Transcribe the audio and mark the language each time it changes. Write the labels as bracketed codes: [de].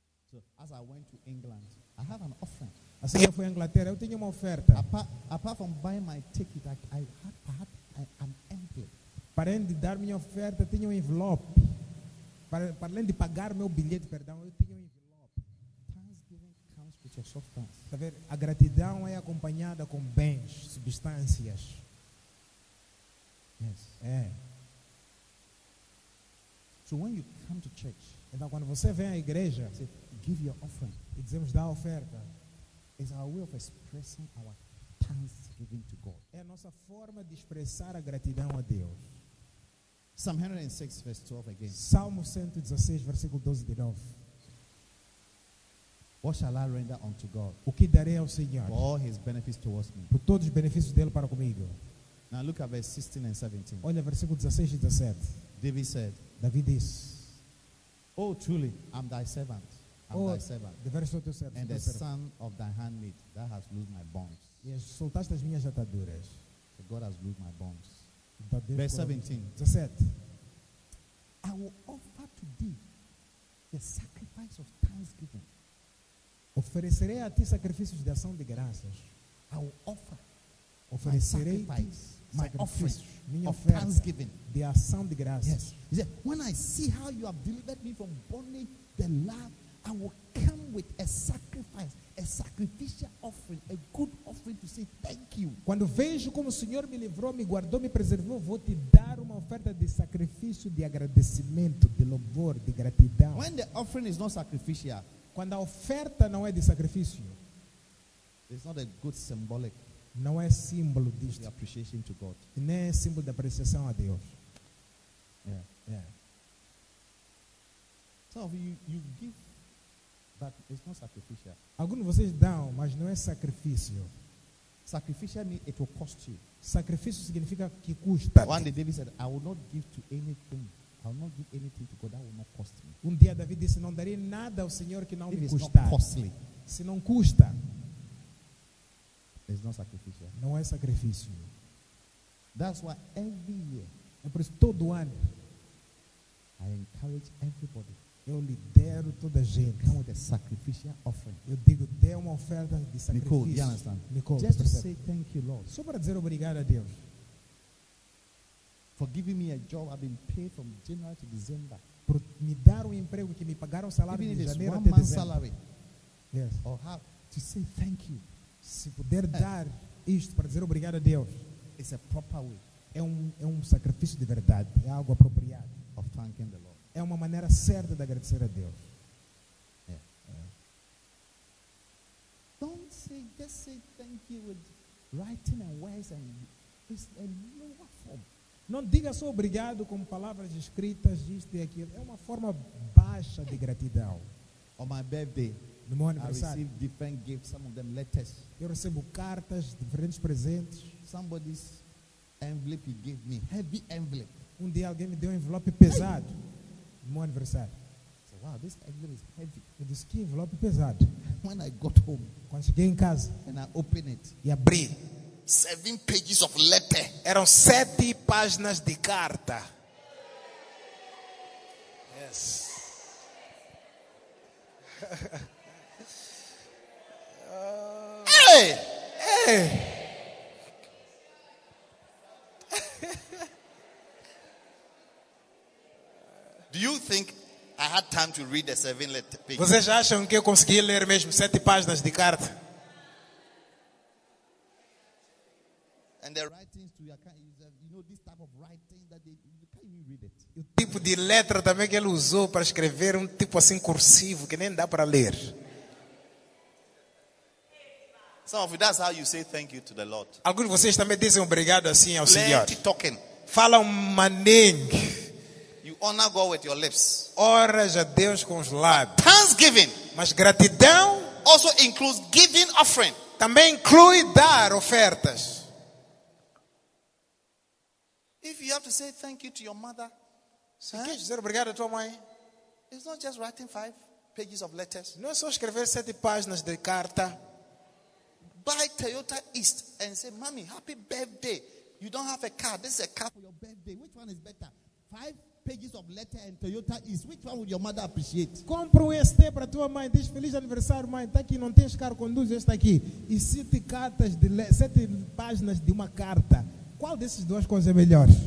[en] So as I went to England, I have an offering. [pt] Assim que eu fui à Inglaterra, eu tinha uma oferta. [en] Apart from buying my ticket, I had an envelope. [pt] Para além de dar minha oferta, eu tinha um envelope. Para além de pagar meu bilhete, perdão, eu tinha um envelope. [en] Thanksgiving comes with your substance. [pt] Está a ver? A gratidão é acompanhada com bens, substâncias. [en] Yes. [pt] É. [en] So when you come to church, [pt] então quando você vem à igreja, [en] say, give your offering. [pt] E dizemos dar oferta. [en] It's our way of expressing our thanksgiving to God. [pt] É a nossa forma de expressar a gratidão a Deus. [en] Psalm 106, verse 12 again. [pt] Salmo 116, versículo 12 de novo. [en] What shall I render unto God? [pt] O que darei ao Senhor? [en] For all his benefits towards me. [pt] Por todos os benefícios dele para comigo. [en] Now look at verse 16 and 17. [pt] Olha versículo 16 e 17. [en] David said. [pt] David diz. [en] Oh, truly, I'm thy servant. The son of thy handmaid that has loosed my bonds. [pt] Yes, soltaste as minhas ataduras. [en] So God has loosed my bonds. Verse 17. I will offer to thee the sacrifice of thanksgiving. [pt] Oferecerei a ti sacrifícios de ação de graças. [en] I will offer. [pt] Oferecerei [en] my offering. [pt] Minha [en] of thanksgiving. [pt] De ação de graças. [en] Yes. He said, when I see how you have delivered me from burning the lamb, I will come with a sacrifice, a sacrificial offering, a good offering to say thank you. [pt] Quando vejo como o Senhor me livrou, me guardou, me preservou, vou te dar uma oferta de sacrifício, de agradecimento, de louvor, de gratidão. [en] When the offering is not sacrificial, [pt] quando a oferta não é de sacrifício, [en] it's not a good symbolic. [pt] Não é símbolo disto. [en] The appreciation to God. [pt] Nem é símbolo de apreciação a Deus. [en] Yeah. So you give. But it's not sacrificial. [pt] Alguns de vocês dão, mas não é sacrifício. [en] Sacrificial means it will cost you. [pt] Sacrifício significa que custa. [en] One day David said, I will not give anything to God that will not cost me. [pt] Um dia David disse, não darei nada ao Senhor que não [en] if [pt] me custar. [en] Not costly, [pt] se não custa. [en] It's not sacrificial. [pt] Não é sacrifício. [en] That's why every year, [pt] é por isso todo ano, [en] I encourage everybody. [pt] Eu lidero toda a gente. [en] Come with a sacrificial offering. [pt] Eu digo, dê uma oferta de sacrifício. [en] Nicole, you understand? Nicole, just to say thank you, Lord. [pt] Só para dizer obrigado a Deus. [en] For giving me a job I've been paid from January to December. [pt] Por me dar um emprego que me pagaram salário de janeiro até dezembro. [en] Yes. Or how to say thank you. [pt] Se puder dar isto para dizer obrigado a Deus. [en] It's a proper way. [pt] É um sacrifício de verdade. É algo apropriado. [en] Of thanking the Lord. [pt] É uma maneira certa de agradecer a Deus. [en] Don't say, just say thank you with writing and words and it's a lower form. [pt] Não diga só obrigado com palavras escritas, isto e aquilo. É uma forma baixa de gratidão. [en] On my birthday, [pt] No meu aniversário. [en] I received different gifts, some of them letters. [pt] Eu recebo cartas, diferentes presentes. [en] Somebody's envelope he gave me, heavy envelope. [pt] Um dia alguém me deu um envelope pesado. No meu aniversário. [en] So, wow, this envelope is heavy. [pt] Eu disse, que envelope pesado. [en] When I got home, [pt] quando cheguei em casa, [en] and I opened it, [pt] e abri. [en] 7 pages of letter. [pt] Eram 7 páginas de carta. [en] Yes. Hey! Hey! Do you think I had time to read the 7 letter pages? [pt] Vocês acham que eu consegui ler mesmo 7 páginas de carta? [en] And the writings to your, you know, this type of writing that they, you can't even read it. [pt] O tipo de letra também que ele usou para escrever, um tipo assim cursivo que nem dá para ler. [en] Some of you, that's how you say thank you to the Lord. [pt] Alguns de vocês também dizem obrigado assim ao Senhor. [en] Plenty talking. [pt] Fala um maning. [en] You honor God with your lips. [pt] Oras a Deus com os lábios. [en] Thanksgiving. [pt] Mas gratidão [en] also includes giving offering. [pt] Também inclui dar ofertas. [en] If you have to say thank you to your mother, [pt] se queres dizer obrigado à tua mãe, [en] it's not just writing 5 pages of letters. [pt] Não é só escrever 7 páginas de carta. [en] Buy Toyota East and say, mommy, happy birthday. You don't have a car. This is a car for your birthday. Which one is better? 5 pages of letter and Toyota East. Which one would your mother appreciate? [pt] Compre ST para tua mãe. Diz feliz aniversário, mãe. Está aqui, não tens carro, conduz esta aqui. E 7 cartas de 7 páginas de uma carta. Qual dessas duas coisas é melhor?